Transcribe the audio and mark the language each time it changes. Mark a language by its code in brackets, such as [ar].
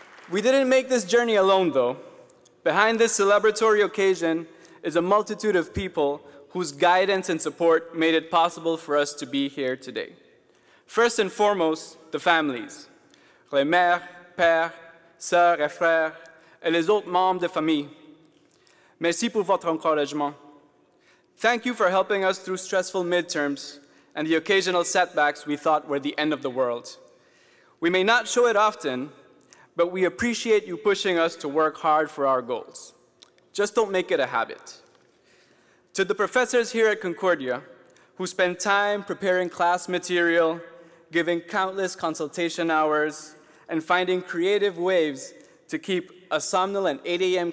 [en] We didn't make this journey alone, though. Behind this celebratory occasion is a multitude of people whose guidance and support made it possible for us to be here today. First and foremost, the families. [fr] Les mères, pères, sœurs et frères, et les autres membres de famille. Merci pour votre encouragement. [en] Thank you for helping us through stressful midterms and the occasional setbacks we thought were the end of the world. We may not show it often, but we appreciate you pushing us to work hard for our goals. Just don't make it a habit. To the professors here at Concordia, who spend time preparing class material, giving countless consultation hours, and finding creative ways to keep a somnolent 8 a.m.